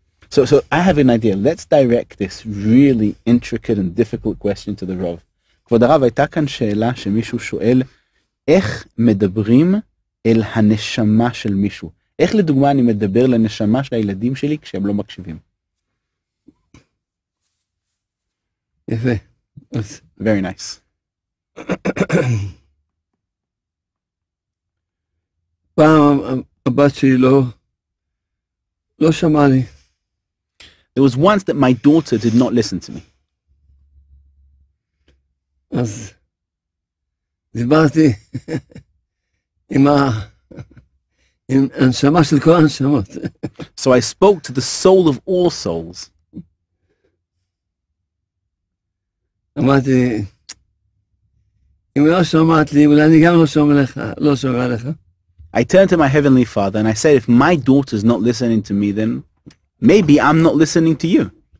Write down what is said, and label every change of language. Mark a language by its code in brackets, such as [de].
[en] So I have an idea. Let's direct this really intricate and difficult question to the Rav. [he] Kvod HaRav, hayta kan she'ela shemishu shu'el, איך מדברים אל הנשמה של מישהו? איך לדוגמה אני מדבר לנשמה של הילדים שלי כשהם לא מקשיבים? יפה. [en] Very nice. [he] פעם הבת שלי לא שמעה לי. [en] There was once that my daughter did not listen to me. [he] אז... דיברתי עם הנשמה של כל הנשמות. [en] So I spoke to the soul of all souls. [he] אמרתי, אם לא שומעת לי, אולי אני גם לא שומע לך, לא שומע לך. [en] I turned to my heavenly father and I said, if my daughter's not listening to me, then maybe I'm not listening to you.